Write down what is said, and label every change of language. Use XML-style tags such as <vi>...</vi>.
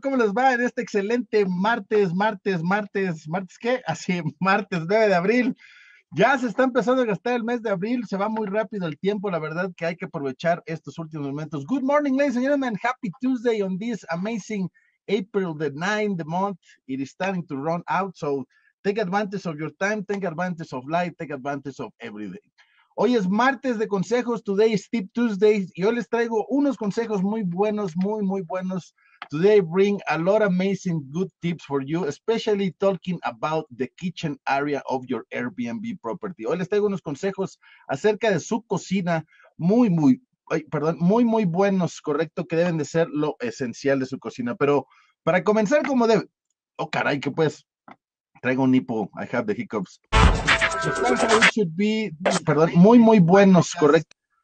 <es>¿Cómo les va en este excelente martes, martes, martes, martes qué? Así, martes 9 de abril. Ya se está empezando a gastar el mes de abril, se va muy rápido el tiempo, la verdad que hay que aprovechar estos últimos momentos.</es> <en>Good morning, ladies and gentlemen. Happy Tuesday on this amazing April the 9th, the month. It is starting to run out, so take advantage of your time, take advantage of life, take advantage of every day.</en> <es>Hoy es martes de consejos,</es> <en>today is Tip Tuesday.</en> <es>Y hoy les traigo unos consejos muy buenos, muy, muy buenos.</es> <en>Today bring a lot of amazing good tips for you, especially talking about the kitchen area of your Airbnb property.</en> <es>Hoy les traigo unos consejos acerca de su cocina, muy, muy, ay, perdón, muy, muy buenos, correcto, que deben de ser lo esencial de su cocina. Pero para comenzar, como debe. Oh, caray, que pues. Traigo un hipo.</es> <en>I have the hiccups. Should be,</en> <es>perdón, muy, muy buenos, correcto.</es>